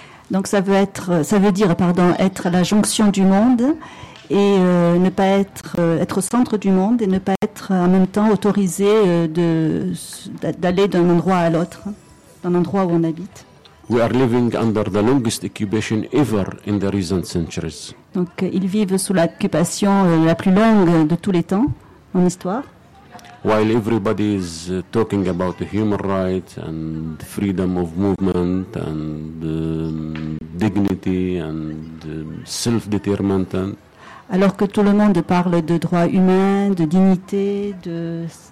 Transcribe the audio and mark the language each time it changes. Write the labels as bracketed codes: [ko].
[fr] Donc ça veut dire être à la jonction du monde et ne pas être au centre du monde et ne pas être en même temps autorisé d'aller d'un endroit à l'autre, d'un endroit où on habite. [en] We are living under the longest occupation ever in the recent centuries. [fr] Donc ils vivent sous l'occupation la plus longue de tous les temps en histoire. [en] While everybody is talking about the human rights and freedom of movement and dignity and self-determination. [fr] Alors que tout le monde parle de droits humains, de dignité, de